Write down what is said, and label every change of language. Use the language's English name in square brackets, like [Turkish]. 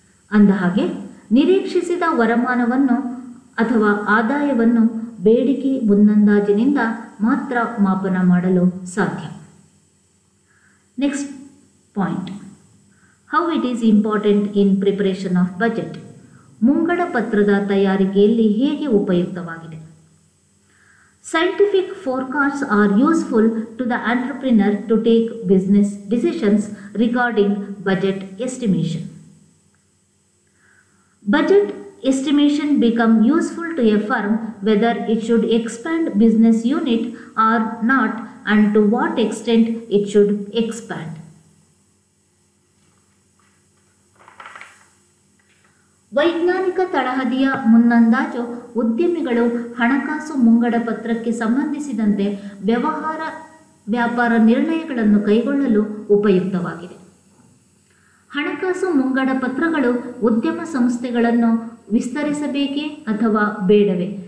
[Kannada] ಅಂದಹಾಗೆ ನಿರೀಕ್ಷಿಸಿದ ವರಮಾನವನ್ನು ಅಥವಾ ಆದಾಯವನ್ನು ಬೇಡಿಕೆ ಮುನ್ನಂದಾಜಿನಿಂದ ಮಾತ್ರ ಮಾಪನ ಮಾಡಲು ಸಾಧ್ಯ. [English] Next point, how it is important in preparation of budget. [Kannada] ಮುಂಗಡ ಪತ್ರದ ತಯಾರಿಕೆಯಲ್ಲಿ ಹೇಗೆ ಉಪಯುಕ್ತವಾಗಿದೆ? [English] Scientific forecasts are useful to the entrepreneur to take business decisions regarding budget estimation. Budget estimation become useful to a firm whether it should expand business unit or not and to what extent it should expand. [Kannada] ವೈಜ್ಞಾನಿಕ ತಳಹದಿಯ ಮುನ್ನಂದಾಜು ಉದ್ಯಮಿಗಳು ಹಣಕಾಸು ಮುಂಗಡ ಪತ್ರಕ್ಕೆ ಸಂಬಂಧಿಸಿದಂತೆ ವ್ಯವಹಾರ ವ್ಯಾಪಾರ ನಿರ್ಣಯಗಳನ್ನು ಕೈಗೊಳ್ಳಲು ಉಪಯುಕ್ತವಾಗಿದೆ. ಹಣಕಾಸು ಮುಂಗಡ ಪತ್ರಗಳು ಉದ್ಯಮ ಸಂಸ್ಥೆಗಳನ್ನು ವಿಸ್ತರಿಸಬೇಕೇ ಅಥವಾ ಬೇಡವೇ?